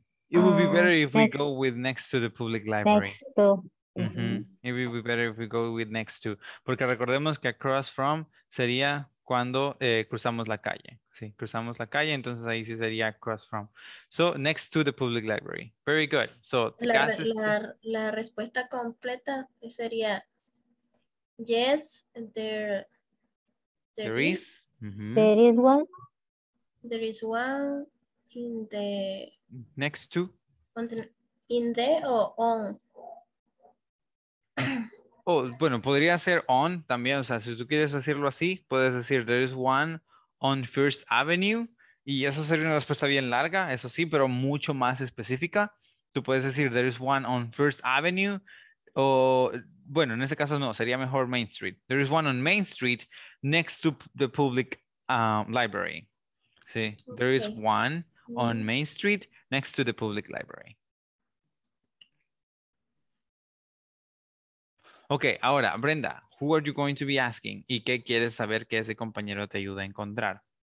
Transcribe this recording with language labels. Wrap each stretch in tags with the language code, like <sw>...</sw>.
<en>It would be better if we go with next to the public library. Next to. Mm-hmm. It would be better if we go with next to.</en> <es>Porque recordemos que</es> <en>across from</en> <es>sería cuando cruzamos la calle. Sí, cruzamos la calle, entonces ahí sí sería</es> <en>across from. So, next to the public library. Very good. So,</en> <es>la respuesta completa sería</es> <en>yes, there is. Mm-hmm. There is one. There is one in the... Next to? In the or on?</en> <es>Oh, bueno, podría ser on también. O sea, si tú quieres decirlo así, puedes decir</es> <en>there is one on First Avenue.</en> <es>Y eso sería una respuesta bien larga, eso sí, pero mucho más específica. Tú puedes decir</es> <en>there is one on First Avenue.</en> <es>O, bueno, en ese caso no, sería mejor Main Street.</es> <en>There is one on Main Street next to the public library. Sí, there is one on Main Street next to the public library. Ok, ahora, Brenda, who are you going to be asking?</en> <es>¿Y qué quieres saber que ese compañero te ayuda a encontrar?</es>